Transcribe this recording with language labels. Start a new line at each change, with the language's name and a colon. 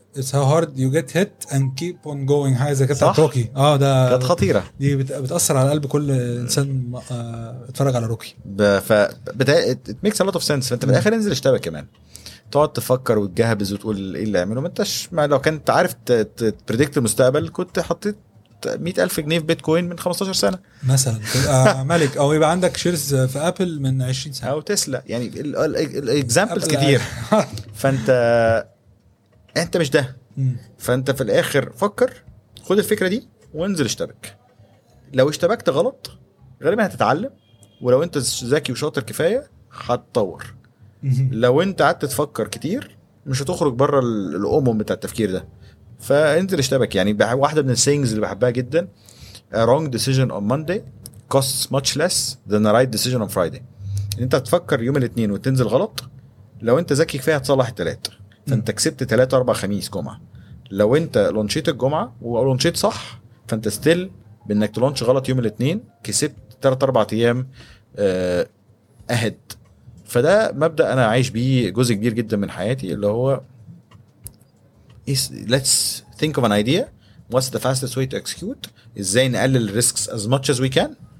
English: it's how hard you get hit and keep on going.
Arabic: هاي زي كده روكي. ده كانت خطيره دي بتاثر على قلب كل انسان اتفرج على روكي.
English: It makes a lot of sense.
Arabic: فانت في الاخر انزل اشتبه كمان، تقعد تفكر وتجهبز وتقول ايه اللي اعمله. ما انتش لو كنت عارف تبريدكت المستقبل كنت حطيت 100,000 جنيه في بيتكوين من 15 سنة مثلا ملك او يبقى عندك شيرز في ابل من 20 سنة او تسلا يعني الاكزامبلز كتير. فانت مش ده. فانت في الاخر فكر خد الفكرة دي وانزل اشتبك. لو اشتبكت غلط غالبا هتتعلم، ولو انت ذكي وشاطر كفاية هتطور. لو انت قعدت تفكر كتير مش هتخرج بره الامم بتاع التفكير ده. فانزل اشتبك يعني. واحدة من السينجز اللي بحبها جدا
English: A wrong decision on Monday costs much less than a right decision on Friday.
Arabic: ان انت تفكر يوم الاثنين وتنزل غلط لو انت ذكي كفاية هتصلح التلاتة. فانت كسبت 3-4-5 كومة. لو انت لونشيت الجمعة ولونشيت صح فانت ستيل بانك تلونش غلط يوم الاثنين كسبت 3 4 ايام اهد. فده مبدا انا عايش بيه جزء كبير جدا من حياتي اللي هو
English: let's think of an idea what's the fastest way to execute.
Arabic: ازاي نقلل الريسكس
English: as much as we can.